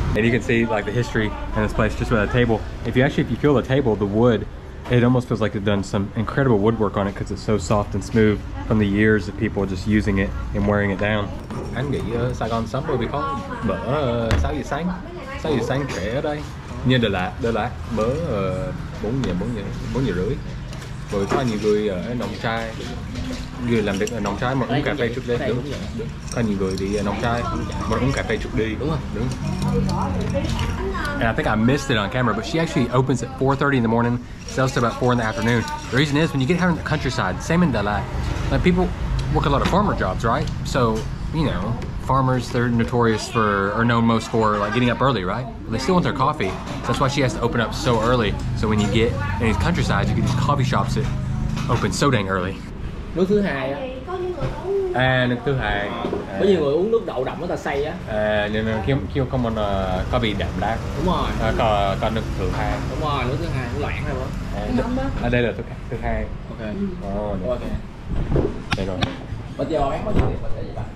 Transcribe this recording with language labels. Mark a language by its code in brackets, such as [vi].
[en] And you can see like the history in this place just with a table. If you feel the table, the wood, it almost feels like they've done some incredible woodwork on it because it's so soft and smooth from the years of people just using it and wearing it down. [vi] Anh nghĩ Sài Gòn sớm bởi vì có bữa 6 giờ sáng trễ ở đây. Như Đà Lạt, bữa 4 giờ rưỡi. Bởi có nhiều người ở Nông Trai, người làm việc ở Nông Trai mà uống cà phê trước đây. Đúng. Có nhiều người đi Nông Trai mà uống cà phê trước đi. Đúng. [en] And I think I missed it on camera, but she actually opens at 4:30 in the morning, sells to about 4 in the afternoon. The reason is, when you get here in the countryside, same in Da Lai, like people work a lot of farmer jobs, right? So, you know, farmers, they're notorious for, or known most for, like getting up early, right? But they still want their coffee. So that's why she has to open up so early. So when you get in these countryside, you get these coffee shops that open so dang early. [vi] Nước thứ hai á. À, nước thứ hai. Có nhiều người uống nước đậu đậm, người ta say á. À, nên là khi không còn có bị đậm đá. Đúng rồi. À, có nước thứ hai. Đúng rồi, nước thứ hai, nó loãng rồi bố. À, đây là thứ hai. Ok. Oh, ok. Đây rồi. Bây giờ em có gì để bật vậy?